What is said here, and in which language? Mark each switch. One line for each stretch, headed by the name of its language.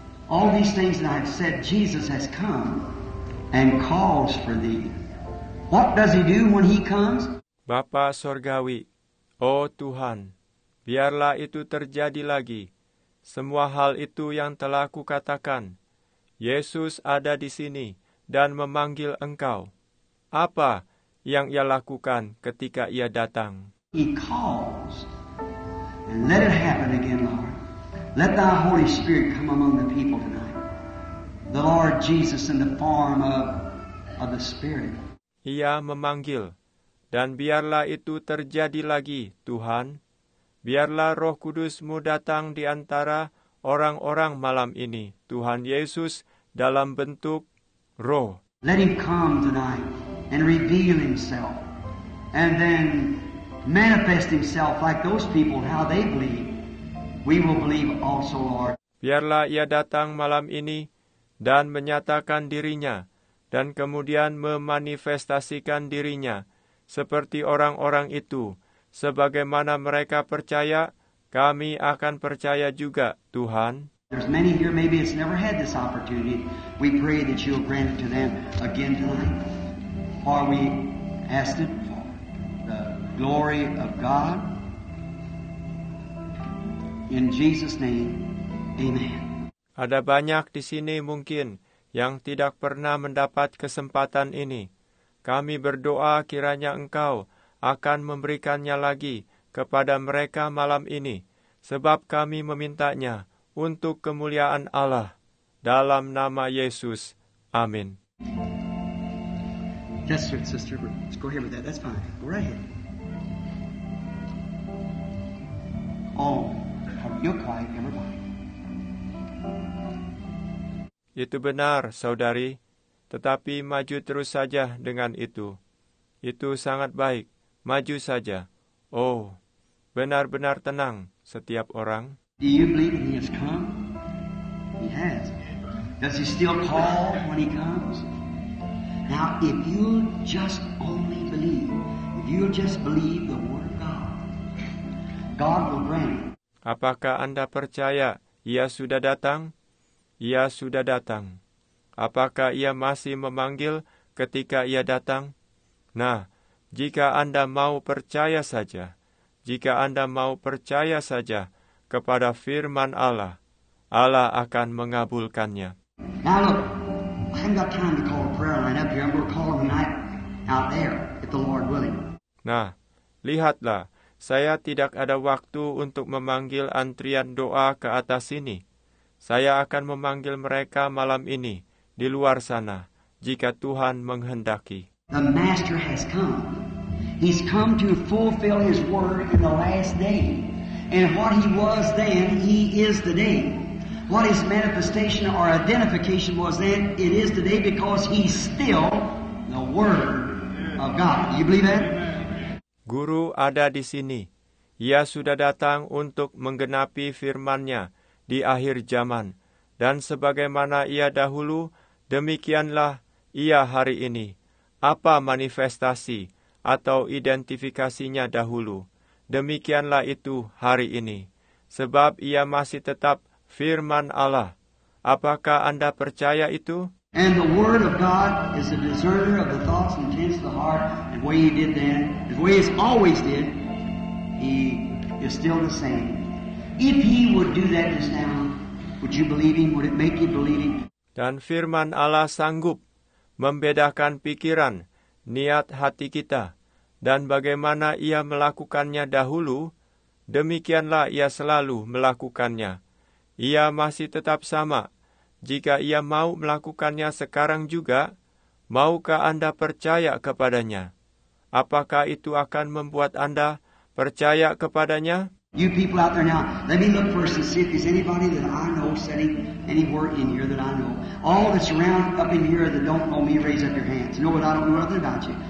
English: All these things that I've said, Jesus has come and calls for thee. What does he do when he comes?
Indonesian: Bapa Sorgawi, oh Tuhan, biarlah itu terjadi lagi. Semua hal itu yang telah kukatakan. Yesus ada di sini dan memanggil engkau. Apa yang ia lakukan ketika ia datang?
English: He calls. And let it happen again, Lord. Let thy Holy Spirit come among the people tonight. The Lord Jesus in the form of the Spirit.
Indonesian: Ia memanggil, dan biarlah itu terjadi lagi, Tuhan. Biarlah Roh Kudus-Mu datang di antara orang-orang malam ini, Tuhan Yesus, dalam bentuk roh.
English: Let him come tonight and reveal himself and then manifest himself like those people, how they believe. We will believe also, Lord.
Indonesian: Biarlah ia datang malam ini dan menyatakan dirinya dan kemudian memanifestasikan dirinya seperti orang-orang itu. Sebagaimana mereka percaya, kami akan percaya juga, Tuhan.
English: There's many here, maybe it's never had this opportunity. We pray that you'll grant it to them again tonight. For we ask it for the glory of God. In Jesus' name, amen.
Indonesian: Ada banyak di sini mungkin yang tidak pernah mendapat kesempatan ini. Kami berdoa kiranya Engkau akan memberikannya lagi kepada mereka malam ini, sebab kami memintanya untuk kemuliaan Allah. Dalam nama Yesus, amin.
English: Yes, sir, sister. Let's go ahead with that. That's fine. Go right ahead. Oh, you're quiet, everybody.
Indonesian: Itu benar, saudari. Tetapi maju terus saja dengan itu. Itu sangat baik. Maju saja. Oh, benar-benar tenang setiap orang.
English: Do you believe he has come? He has. Does he still call when he comes? Now, if you just only believe, if you just believe the word of God, God will grant.
Indonesian: Apakah Anda percaya ia sudah datang? Ia sudah datang. Apakah ia masih memanggil ketika ia datang? Nah, jika Anda mau percaya saja, jika Anda mau percaya saja kepada firman Allah, Allah akan mengabulkannya.
English: Now look, I haven't got time to call a prayer line up here. I'm going to call them tonight out there, if the Lord willing.
Indonesian: Nah, lihatlah, saya tidak ada waktu untuk memanggil antrian doa ke atas sini. Saya akan memanggil mereka malam ini, di luar sana, jika Tuhan menghendaki.
English: The Master has come. He's come to fulfill His word in the last day. And what He was then, He is today. What His manifestation or identification was then, it is today because He's still the Word of God. You believe that?
Indonesian: Guru ada di sini. Ia sudah datang untuk menggenapi firman-Nya di akhir zaman. Dan sebagaimana Ia dahulu, demikianlah Ia hari ini. Apa manifestasi atau identifikasinya dahulu? Demikianlah itu hari ini. Sebab ia masih tetap firman Allah. Apakah Anda percaya itu?
English: And the word of God is a discerner of the thoughts and intents of the heart. The way he did then, the way he's always did, he is still the same. If he would do that just now, would you believe him? Would it make you believe him?
Indonesian: Dan firman Allah sanggup membedakan pikiran, niat hati kita, dan bagaimana ia melakukannya dahulu, demikianlah ia selalu melakukannya. Ia masih tetap sama. Jika ia mau melakukannya sekarang juga, maukah Anda percaya kepadanya? Apakah itu akan membuat Anda percaya kepadanya?
English: You people out there now, let me look first and see if there's anybody that I know sitting anywhere in here that I know. All that's around up in here that don't know me, raise up your hands. You know what? I don't know nothing about you.